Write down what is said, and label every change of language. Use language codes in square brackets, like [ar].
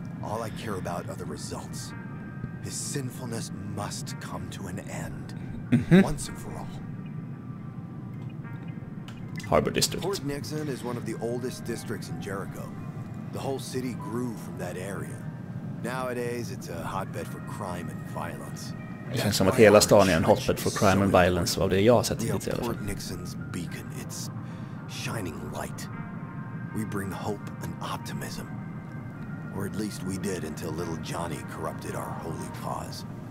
[en] All I care about are the results. His sinfulness must come to an end. Once and for all. Harbor District. Port Nixon is one of the oldest districts in Jericho. The whole city grew from that area. Nowadays, it's a hotbed for crime and violence. [sv] Det känns som att hela stan är en [en] hotbed for crime and violence, [sv] av det jag har sett hittills i alla fall. [en] Port Nixon's beacon, it's shining light. We bring hope and optimism. Or at least we did until little Johnny corrupted our holy cause.